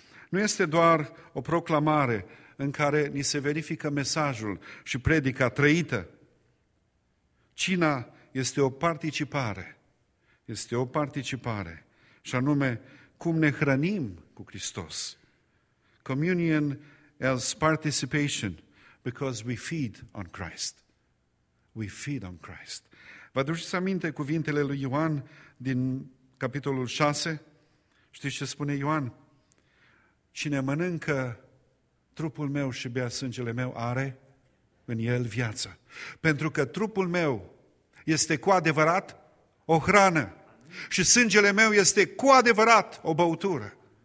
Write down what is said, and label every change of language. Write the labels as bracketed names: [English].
[Romanian] Nu este doar o proclamare în care ni se verifică mesajul și predica trăită. Cina este o participare, este o participare, și anume cum ne hrănim cu Hristos. [English] Communion as participation, because we feed on Christ. We feed on Christ. [Romanian] Vă aduceți aminte cuvintele lui Ioan din capitolul 6? Știți ce spune Ioan? Cine mănâncă trupul meu și bea sângele meu are în el viață. Pentru că trupul meu este cu adevărat o hrană și sângele meu este cu adevărat o băutură.